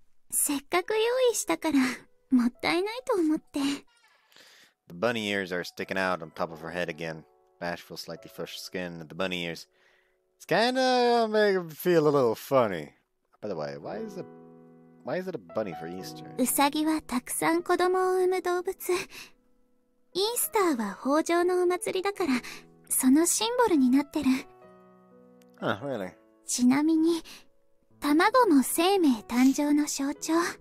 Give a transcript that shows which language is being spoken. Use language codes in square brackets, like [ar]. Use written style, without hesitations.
[ja] せっかく用意したからもったいないと思って。 [en] The bunny ears are sticking out on top of her head again. Bashful, slightly flushed skin at the bunny ears. It's kinda making me feel a little funny. By the way, Why is it a bunny for Easter? [ja] ウサギはたくさん子供を産む動物。イースターは豊穣のお祭りだから、そのシンボルになってる。 [en] Oh, really? [ja] ちなみに、卵も生命誕生の象徴。